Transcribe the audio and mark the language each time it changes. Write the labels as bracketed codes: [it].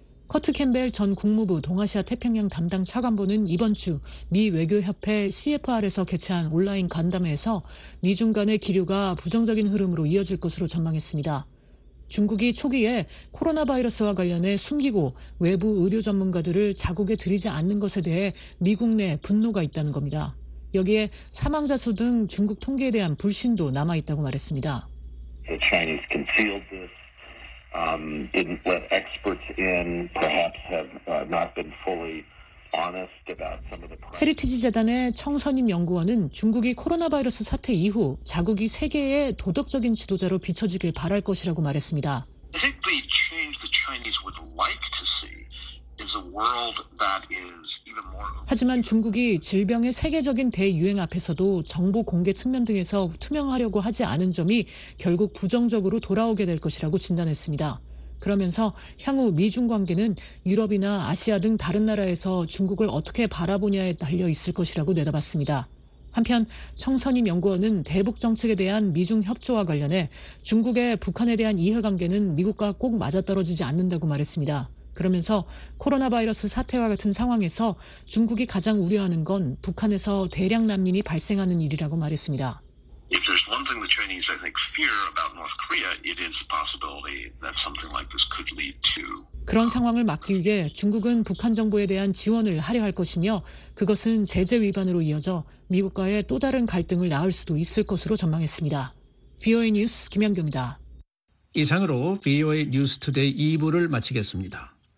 [ko] 커트 캠벨 전 국무부 동아시아 태평양 담당 차관보는 이번 주 미 외교협회 CFR에서 개최한 온라인 간담회에서 미중 간의 기류가 부정적인 흐름으로 이어질 것으로 전망했습니다. 중국이 초기에 코로나 바이러스와 관련해 숨기고 외부 의료 전문가들을 자국에 들이지 않는 것에 대해 미국 내 분노가 있다는 겁니다. 여기에 사망자 수 등 중국 통계에 대한 불신도 남아있다고 말했습니다. [en] The Chinese concealed this. Didn't let experts in, perhaps have not been fully honest about some of the. [ko] 헤리티지 재단의 청선임 연구원은 중국이 코로나 바이러스 사태 이후 자국이 세계의 도덕적인 지도자로 비춰지길 바랄 것이라고 말했습니다. [en] I think the change the Chinese would like to see is a world that is even more. [ko] 하지만 중국이 질병의 세계적인 대유행 앞에서도 정보 공개 측면 등에서 투명하려고 하지 않은 점이 결국 부정적으로 돌아오게 될 것이라고 진단했습니다. 그러면서 향후 미중 관계는 유럽이나 아시아 등 다른 나라에서 중국을 어떻게 바라보냐에 달려 있을 것이라고 내다봤습니다. 한편 청선임 연구원은 대북 정책에 대한 미중 협조와 관련해 중국의 북한에 대한 이해관계는 미국과 꼭 맞아떨어지지 않는다고 말했습니다. 그러면서 코로나 바이러스 사태와 같은 상황에서 중국이 가장 우려하는 건 북한에서 대량 난민이 발생하는 일이라고 말했습니다. [en] If there's one thing the Chinese, I think, fear about North Korea, it is the possibility that something like this could lead to. [ko] 그런 상황을 막기 위해 중국은 북한 정부에 대한 지원을 하려할 것이며 그것은 제재 위반으로 이어져 미국과의 또 다른 갈등을 낳을 수도 있을 것으로 전망했습니다. VOA 뉴스 김현경입니다. 이상으로 VOA 뉴스 투데이 2부를 마치겠습니다.